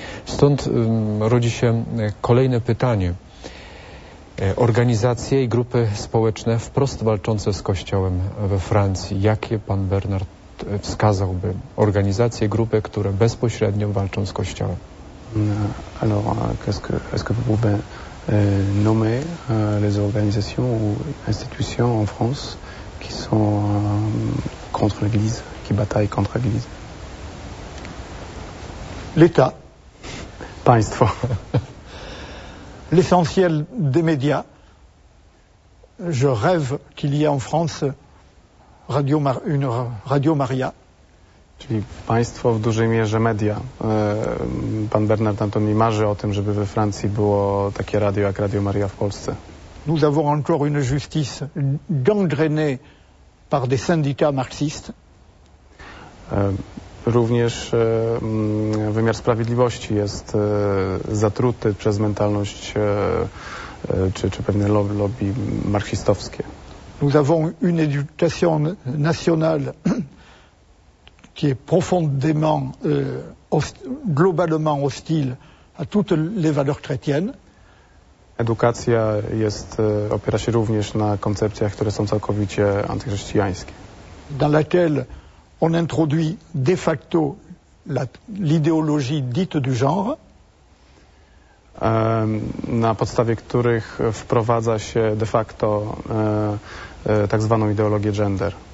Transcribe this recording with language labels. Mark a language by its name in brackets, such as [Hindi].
[Polish] Stąd rodzi się kolejne pytanie. Organizacje i grupy społeczne wprost walczące z Kościołem we Francji. Jakie pan Bernard wskazałby organizacje, grupy, które bezpośrednio walczą z Kościołem? [French] Alors, qu'est-ce que vous pouvez nommer les organisations ou institutions en France qui sont contre l'Église, qui bataillent contre l'Église. L'État. Pas une fois. L'essentiel des médias. Je rêve qu'il y ait en France une Radio Maria. [Polish] Czyli państwo w dużej mierze media. Pan Bernard Antoni marzy o tym, żeby we Francji było takie radio jak Radio Maria w Polsce. [French] Nous avons encore une justice gangrenée par des syndicats marxistes. [Polish] Również wymiar sprawiedliwości jest zatruty przez mentalność czy pewne lobby marxistowskie. [French] Nous avons une éducation nationale qui est profondément globalement hostile à toutes les valeurs chrétiennes. [Polish] Edukacja jest opiera się również na koncepcjach, które są całkowicie antychrześcijańskie. [French] Dans laquelle on introduit de facto l'idéologie dite du genre. [Polish] Na podstawie których wprowadza się de facto tak zwaną ideologię gender.